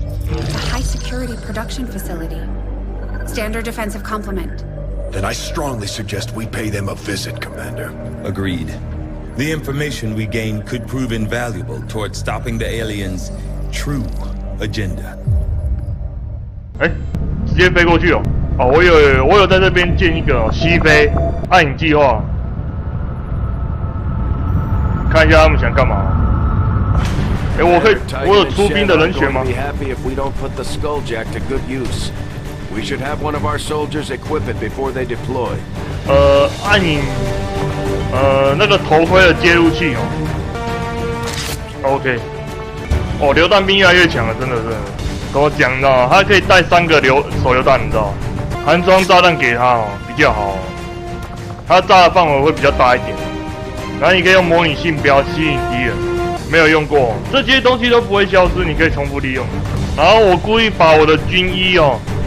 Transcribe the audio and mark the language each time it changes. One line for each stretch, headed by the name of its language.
English: It's a high-security production facility. Standard defensive complement. Then I strongly suggest we pay them a visit, Commander. Agreed. The information we gain could prove invaluable towards stopping the aliens' true agenda.
Chinese: 哎，直接飞过去哦！哦，我有在这边建一个、哦、西飞暗影计划，看一下他们想干嘛。哎，我可以，我有出兵的人选吗
English: ？Be happy if we don't put the skulljack to good use. We should have one of our soldiers equip it before they deploy.
Chinese: 暗影。那个头盔的接入器哦 ，OK， 哦，榴弹兵越来越强了，真的是，跟我讲到，他可以带三个手榴弹，你知道，含装炸弹给他哦，比较好、哦，他炸的范围会比较大一点，然后你可以用模拟信标吸引敌人，没有用过、哦，这些东西都不会消失，你可以重复利用，然后我故意把我的军衣哦。